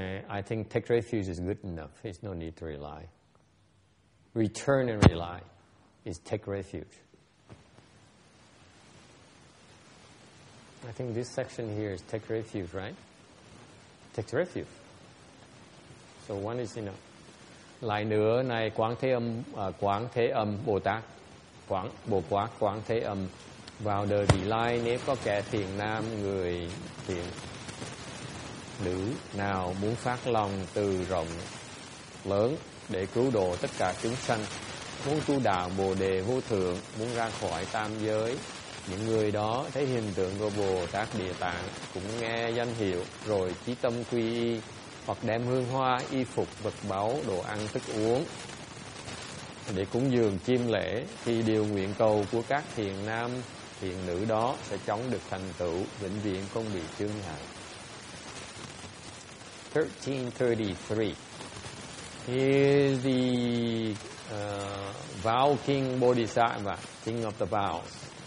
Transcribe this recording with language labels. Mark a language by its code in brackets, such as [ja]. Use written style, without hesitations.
[en] I think take refuge is good enough. There's no need to rely. Return and rely is take refuge. I think this section here is take refuge, right? Take refuge. So one is, [vi] Lại nữa này quán thế âm Bồ Tát, quán Bồ Quát quán thế âm vào đời vị lai nếu có kẻ thiền nam người thiền. Nữ nào muốn phát lòng từ rộng lớn để cứu độ tất cả chúng sanh, muốn tu đạo Bồ Đề vô thượng, muốn ra khỏi tam giới, những người đó thấy hình tượng của Bồ Tát Địa Tạng, cũng nghe danh hiệu, rồi chí tâm quy y, hoặc đem hương hoa, y phục, vật báu, đồ ăn, thức uống để cúng dường chiêm lễ, thì điều nguyện cầu của các thiền nam, thiền nữ đó sẽ chóng được thành tựu, vĩnh viễn không bị chướng ngại. 1333. [en] He is the vow king Bodhisattva, king of the vows.